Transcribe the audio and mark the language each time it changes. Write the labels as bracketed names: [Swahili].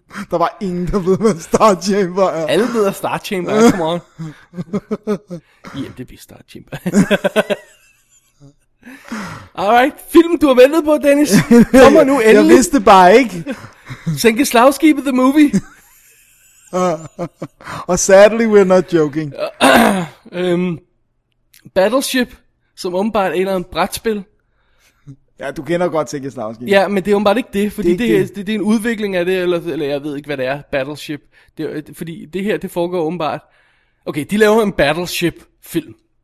[Danish] Der var ingen, der ved, hvad Star Chamber er. Alle ved, hvad Star Chamber er. [English] Come on. [Danish] Jamen, det bliver Star Chamber. Alright, film, du har ventet på, Dennis. Kommer nu endelig. Jeg vidste bare ikke. Sænke slagskibet, [English] the movie. Og sadly, we're not joking. [Danish] Battleship, som åbenbart er en eller anden brætspil. Ja, du kender godt Sænke slagskibet. Ja, men det er åbenbart ikke det, fordi det er en udvikling af det, eller jeg ved ikke, hvad det er, Battleship. Fordi det her, det foregår åbenbart... Okay, de laver en Battleship-film.